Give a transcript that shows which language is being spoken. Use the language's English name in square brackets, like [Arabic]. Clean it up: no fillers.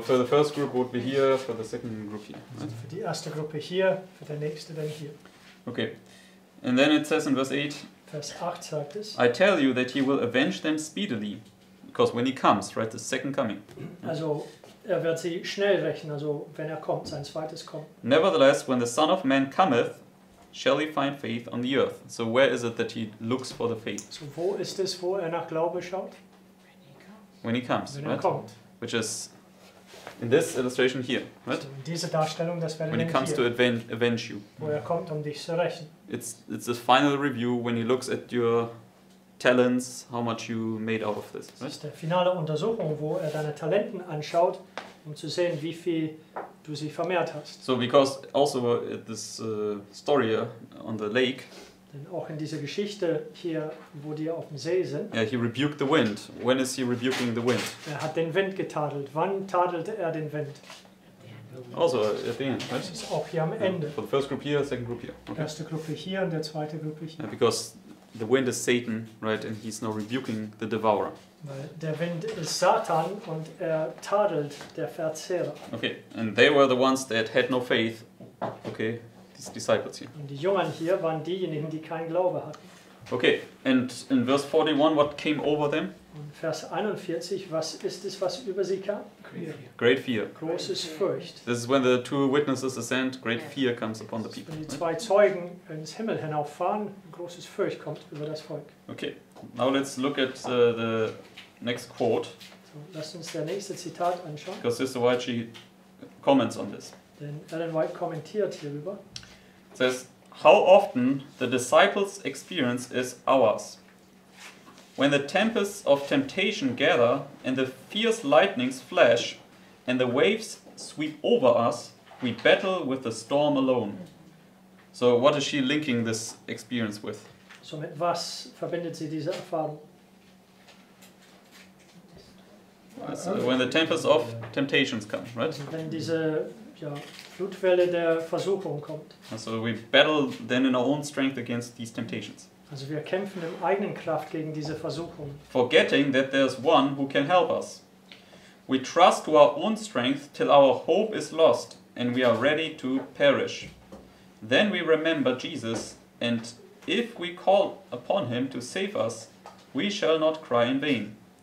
[English] So for the first group would be here, for the second group here. Right? [German] Also für die erste Gruppe hier, für der nächste dann hier. [English] Okay, and then it says in verse 8, [German] Vers 8 sagt es, [English] I tell you that he will avenge them speedily, because when he comes, right, the second coming. [German] Also er wird sie schnell rächen, also wenn er kommt, sein zweites Kommen. [English] Nevertheless, when the Son of Man cometh, shall he find faith on the earth? So where is it that he looks for the faith? [German] So wo ist es, wo er nach Glaube schaut? [English] When he comes. [German] Wenn er kommt. [English] Which is in this illustration here, right? [German] So in dieser Darstellung, das wäre [English] when he comes [German] hier, [English] to avenge you. [German] Wo er kommt, um dich zu rächen. [English] It's a final review when he looks at your talents, how much you made out of this. Right? [German] Das ist der finale Untersuchung, wo er deine Talenten anschaut, um zu sehen, wie viel du sie vermehrt hast. [English] So because also this story on the lake. [German] Denn auch in dieser Geschichte hier, wo die auf dem See sind. [English] Yeah, he rebuked the wind. When is he rebuking the wind? [German] Er hat den Wind getadelt. Wann tadelte er den Wind? [English] Also at the end, right? [German] Das ist auch hier am Ende. [English] For the first group here, second group here. Okay. [German] Erste Gruppe hier und der zweite Gruppe hier. [English] Yeah, because the wind is Satan, right, and he's now rebuking the devourer. [German] Weil der Wind ist Satan und er tadelt der Verzehrer. [English] Okay, and they were the ones that had no faith, okay, these disciples here. [German] Und die Jungen hier waren diejenigen, die keinen Glaube hatten. [English] Okay, and in verse 41, what came over them? [German] Und Vers 41, was ist es, was über sie kam? [English] Great fear. [German] Großes Furcht. [English] This is when the two witnesses ascend, great fear comes upon the people. [German] Wenn die zwei Zeugen ins Himmel hinauffahren, großes Furcht kommt über das Volk. [English] Okay, now let's look at the next quote. [German] So, lass uns der nächste Zitat anschauen. [English] Because Sister White, she comments on this. [German] Denn Ellen White kommentiert hierüber. [English] It says, how often the disciples' experience is ours. When the tempests of temptation gather and the fierce lightnings flash and the waves sweep over us, we battle with the storm alone. So what is she linking this experience with? [German] So mit was verbindet sie diese Erfahrung? [English] So when the tempests of temptations come, right? [German] Wenn diese Flutwelle der Versuchung kommt. [English] And so we battle then in our own strength against these temptations. [German] Also wir kämpfen im eigenen Kraft gegen diese Versuchung. [English] Forgetting that there's one who can help us. We trust to our own strength till our hope is lost and we are ready to perish. Then we remember Jesus, and if we call upon him to save us, we shall not cry in vain.